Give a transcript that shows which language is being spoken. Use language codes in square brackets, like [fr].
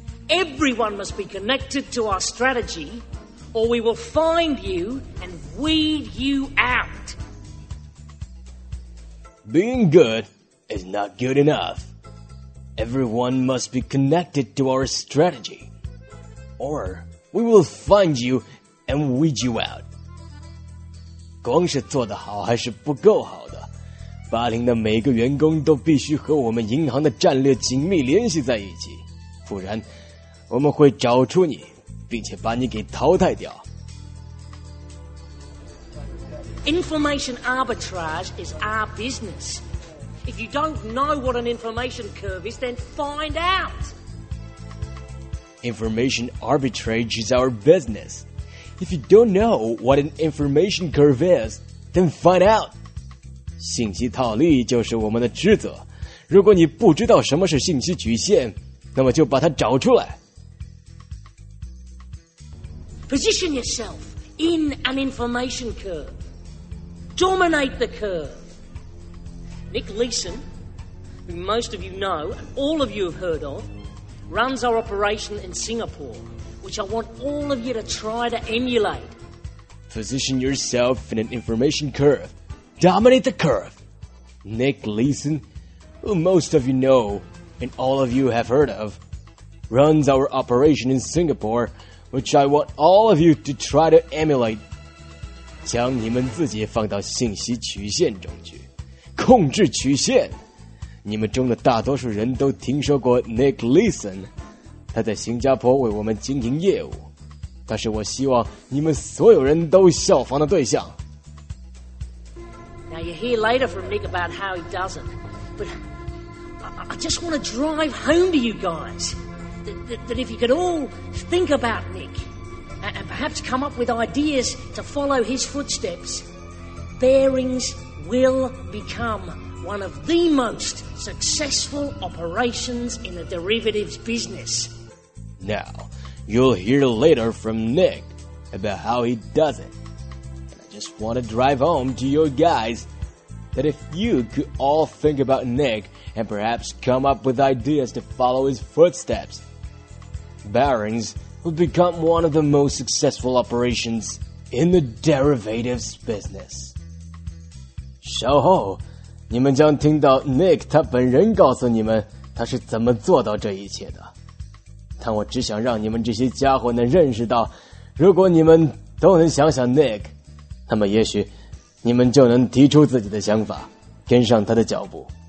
[en] Everyone must be connected to our strategy, or we will find you and weed you out. Being good is not good enough. Everyone must be connected to our strategy, or we will find you and weed you out. [zh] 光是做得好还是不够好的，巴林的每个员工都必须和我们银行的战略紧密联系在一起，不然我们会找出你，并且把你给淘汰掉。 [en] Information arbitrage is our business. If you don't know what an information curve is, then find out. Information arbitrage is our business. If you don't know what an information curve is, then find out. [zh] 信息套利就是我们的职责。如果你不知道什么是信息曲线，那么就把它找出来。 [en] Position yourself in an information curve. Dominate the curve. Nick Leeson, who most of you know and all of you have heard of, runs our operation in Singapore, which I want all of you to try to emulate. Position yourself in an information curve. Dominate the curve. Nick Leeson, who most of you know and all of you have heard of, runs our operation in Singapore, which I want all of you to try to emulate. [zh] 将你们自己放到信息曲线中去，控制曲线。你们中的大多数人都听说过 Nick Leeson， 他在新加坡为我们经营业务，他是我希望你们所有人都效仿的对象。 [en] Now you hear later from Nick about how he does it, but I just want to drive home to you guys that if you could all think about Nick.And perhaps come up with ideas to follow his footsteps. bearings will become one of the most successful operations in the derivatives business. Now, you'll hear later from Nick about how he does it. And I just want to drive home to you guys that if you could all think about Nick and perhaps come up with ideas to follow his footsteps, bearings will become one of the most successful operations in the derivatives business. [zh] 稍后，你们将听到 Nick 他本人告诉你们他是怎么做到这一切的。但我只想让你们这些家伙能认识到，如果你们都能想想 Nick， 那么也许你们就能提出自己的想法，跟上他的脚步。